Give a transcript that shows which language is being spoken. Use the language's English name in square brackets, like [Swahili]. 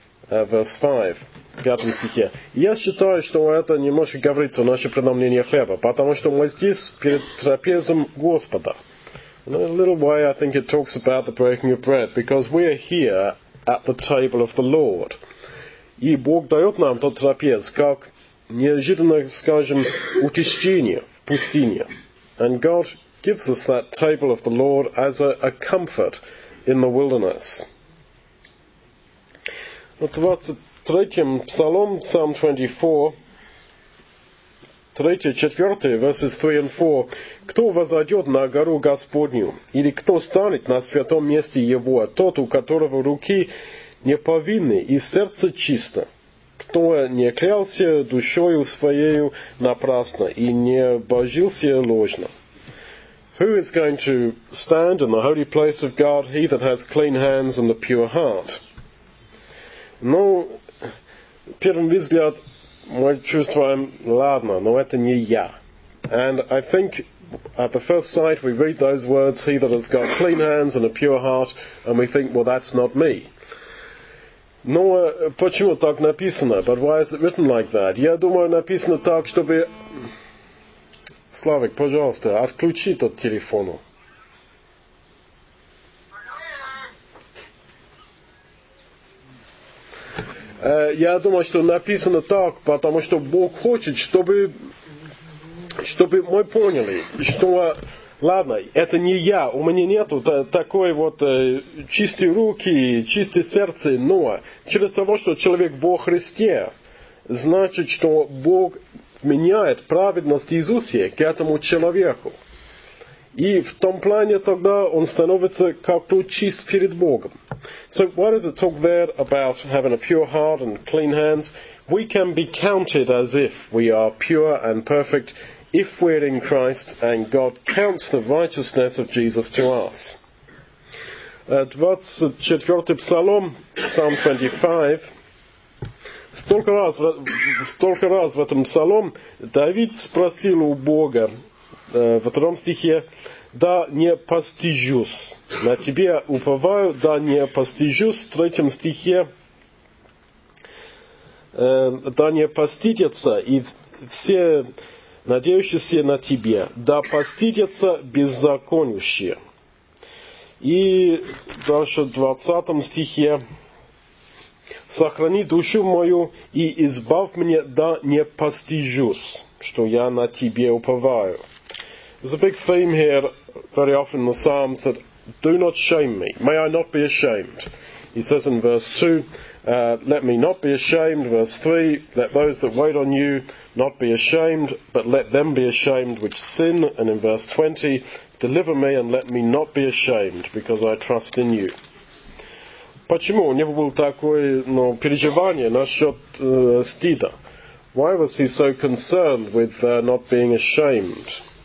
[English] Verse 5, [Russian] 5 стихе. Я считаю, что это немножко говорится о нашем преломлении хлеба, потому что мы здесь перед трапезом Господа. [English] In a little way, I think it talks about the breaking of bread, because we are here at the table of the Lord. [Russian] И Бог дает нам тот трапез как неожиданное, скажем, утешение в пустыне. [English] And God gives us that table of the Lord as a comfort in the wilderness. [Russian] В 23-м Псалом, [English] Psalm 24, 3-4, verses 3 and 4. [Russian] Кто возойдет на гору Господню, или кто станет на святом месте Его, тот, у которого руки не повинны и сердце чисто, кто не клялся душою своею напрасно и не божился ложно. [English] Who is going to stand in the holy place of God? He that has clean hands and a pure heart. [Russian] Ну, первым взгляд, мы чувствуем, ладно, но это не я. [English] And I think at the first sight we read those words, he that has got clean hands and a pure heart, and we think, well, that's not me. [Russian] Но почему так написано? [English] But why is it written like that? [Russian] Я думаю, написано так, чтобы... Славик, пожалуйста, отключи тот телефон. Я думаю, что написано так, потому что Бог хочет, чтобы мы поняли, что, ладно, это не я, у меня нету такой вот чистой руки, чистой сердца, но через того, что человек во Христе, значит, что Бог меняет праведность Иисуса к этому человеку. И в том плане тогда он становится как-то чист перед Богом. [English] So why does it talk there about having a pure heart and clean hands? We can be counted as if we are pure and perfect if we're in Christ and God counts the righteousness of Jesus to us. 24 Psalm, Psalm 25. [Russian] Столько раз в этом псалом Давид спросил у Бога в втором стихе: «Да не постыжусь, на тебе уповаю, да не постыжусь». В третьем стихе: «Да не постыдятся и все надеющиеся на тебе, да постыдятся беззаконящие». И дальше в 20 стихе: «Сохрани душу мою и избавь меня, да не постыжусь, что я на тебе уповаю». [English] There's a big theme here, very often in the Psalms, that do not shame me. May I not be ashamed. He says in verse 2, let me not be ashamed. Verse 3, let those that wait on you not be ashamed, but let them be ashamed which sin. And in verse 20, deliver me and let me not be ashamed, because I trust in you. [Russian] Почему у него было такое, ну, переживание насчет стыда? [English] Why was he so concerned with not being ashamed?